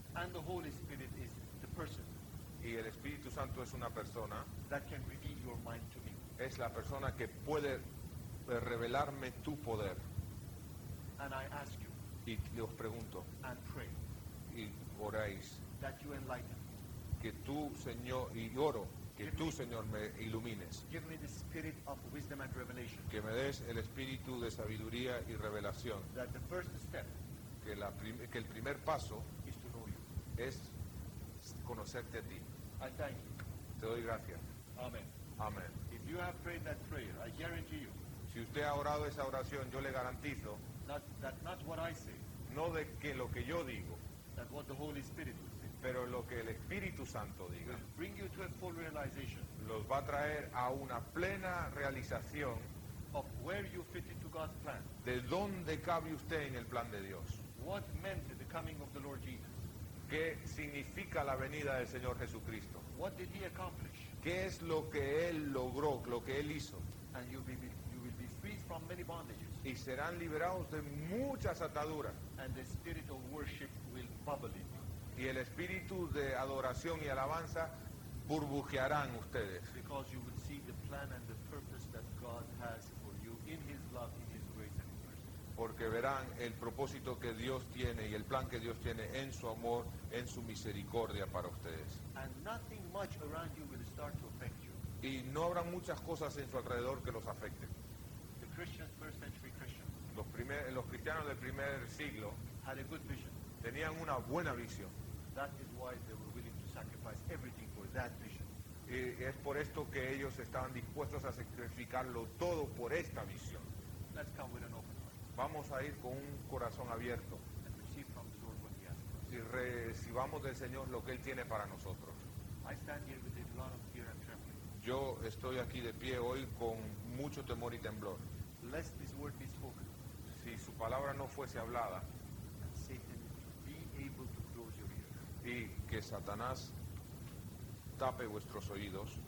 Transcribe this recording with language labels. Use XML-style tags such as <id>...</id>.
<en>And the Holy Spirit is the person.</en> <es>Y el Espíritu Santo es una persona.</es> <en>That can reveal your mind to me.</en> <es>Es la persona que puede revelarme tu poder.</es> <en>And I ask you.</en> <es>Y os pregunto.</es> <en>And pray.</en> <es>Y oráis.</es> <en>that you enlighten.</en> <es>Que tú, Señor, y oro, que tú, Señor, me ilumines.</es> <en>Give me the spirit of wisdom and revelation.</en> <es>Que me des el espíritu de sabiduría y revelación.</es> <en>That the first step,</en> <es>que la que el primer paso,</es> <en>is to know you.</en> <es>Es conocerte a ti.</es> <en>I thank you.</en> <es>Te doy gracias.</es> <en>Amen.</en> <es>Amen.</es> <en>If you have prayed that prayer, I guarantee you.</en> <es>Si usted ha orado esa oración, yo le garantizo.</es> <en>Not what I say.</en> <es>No de que lo que yo digo.</es> <en>That what the Holy Spirit will say.</en> <es>Pero lo que el Espíritu Santo diga.</es> <en>Will bring you to a full realization.</en> <es>Los va a traer a una plena realización.</es> <en>Of where you fit into God's plan.</en> <es>De dónde cabe usted en el plan de Dios.</es> <en>What meant the coming of the Lord Jesus?</en> <es>¿Qué significa la venida del Señor Jesucristo?</es> <en>What did he accomplish?</en> <es>¿Qué es lo que Él logró, lo que Él hizo?</es> <en>And you will be free from many bondages.</en> <es>Y serán liberados de muchas ataduras.</es> <en>And the spirit of worship will bubble in you.</en> <es>Y el espíritu de adoración y alabanza burbujearán ustedes.</es> <en>Because you will see the plan and the purpose that God has for you in His love, in His grace and His mercy.</en> <es>Porque verán el propósito que Dios tiene y el plan que Dios tiene en su amor, en su misericordia para ustedes.</es> <en>And nothing much around you will start to affect you.</en> <es>Y no habrá muchas cosas en su alrededor que los afecten.</es> <en>The Christians, first century Christians,</en> <es>los cristianos del primer siglo</es> <en>had a good vision.</en> <es>Tenían una buena visión.</es> <en>That is why they were willing to sacrifice everything for that vision.</en> <es>Y es por esto que ellos estaban dispuestos a sacrificarlo todo por esta visión.</es> <en>Let's come with an open heart.</en> <es>Vamos a ir con un corazón abierto.</es> <en>And receive from the Lord what he has for us.</en> <es>Y recibamos del Señor lo que Él tiene para nosotros.</es> <en>I stand here with a lot of fear and trembling.</en> <es>Yo estoy aquí de pie hoy con mucho temor y temblor.</es> <en>Lest this word be spoken.</en> <es>Si su palabra no fuese hablada.</es> <en>And Satan be able to close your ears.</en> <es>Y que Satanás tape vuestros oídos.</es>